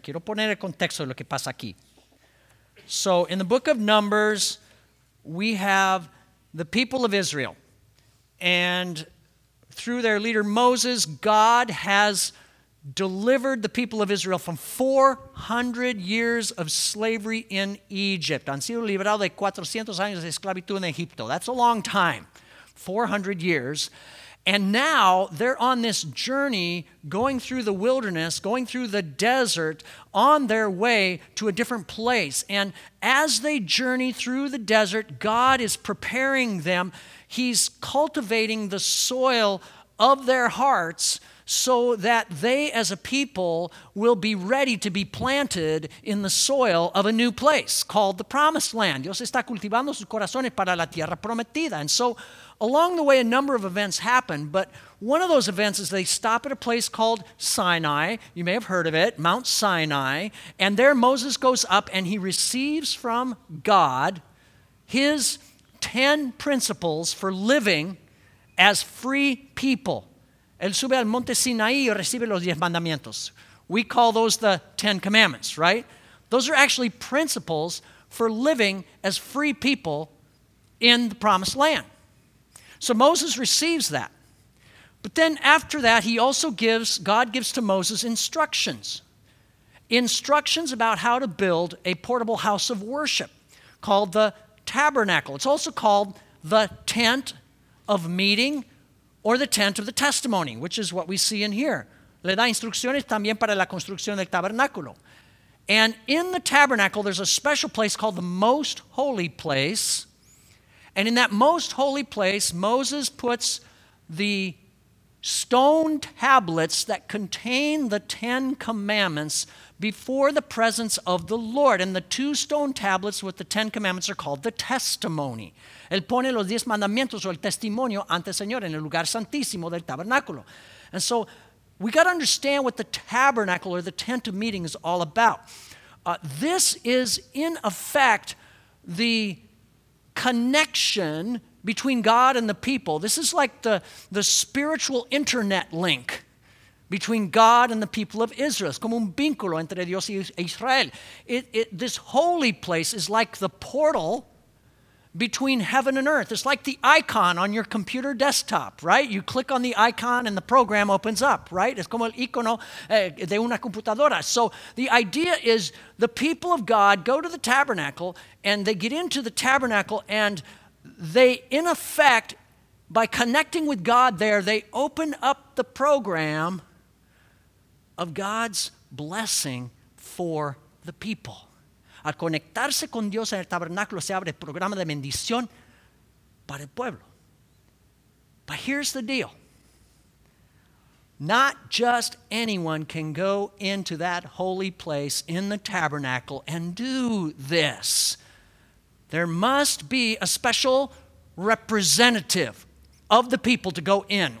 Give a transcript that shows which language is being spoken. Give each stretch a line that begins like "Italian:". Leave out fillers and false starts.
Spanish: Quiero poner el contexto de lo que pasa aquí.
English: So in the book of Numbers, we have the people of Israel. And through their leader Moses, God has delivered the people of Israel from 400 years of slavery in Egypt.
Spanish: Han sido liberados de 400 años de esclavitud en Egipto.
English: That's a long time, 400 years. And now they're on this journey going through the wilderness, going through the desert, on their way to a different place. And as they journey through the desert, God is preparing them. He's cultivating the soil of their hearts so that they as a people will be ready to be planted in the soil of a new place called the Promised Land.
Spanish: Dios está cultivando sus corazones para la tierra prometida.
English: And so along the way, a number of events happen, but one of those events is they stop at a place called Sinai. You may have heard of it, Mount Sinai. And there Moses goes up and he receives from God his 10 principles for living as free people.
Spanish: Él sube al Monte Sinai y recibe los 10 mandamientos.
English: We call those the 10 commandments, right? Those are actually principles for living as free people in the Promised Land. So Moses receives that. But then after that, God gives to Moses instructions. Instructions about how to build a portable house of worship called the tabernacle. It's also called the tent of meeting or the tent of the testimony, which is what we see in here.
Spanish: Le da instrucciones también para la construcción del tabernáculo.
English: And in the tabernacle, there's a special place called the most holy place. And in that most holy place, Moses puts the stone tablets that contain the Ten Commandments before the presence of the Lord. And the two stone tablets with the Ten Commandments are called the testimony.
Spanish: Él pone los diez mandamientos o el testimonio ante el Señor en el lugar santísimo del tabernáculo.
English: And so we got to understand what the tabernacle or the tent of meeting is all about. This is in effect the connection between God and the people. This is like the spiritual internet link between God and the people of Israel.
Spanish: Es como un vínculo entre Dios y Israel.
English: This holy place is like the portal between heaven and earth. It's like the icon on your computer desktop, right? You click on the icon and the program opens up, right?
Spanish: Es como el icono de una computadora.
English: So the idea is the people of God go to the tabernacle and they get into the tabernacle and they, in effect, by connecting with God there, they open up the program of God's blessing for the people.
Spanish: Al conectarse con Dios en el tabernáculo, se abre el programa de bendición para el pueblo.
English: But here's the deal. Not just anyone can go into that holy place in the tabernacle and do this. There must be a special representative of the people to go in.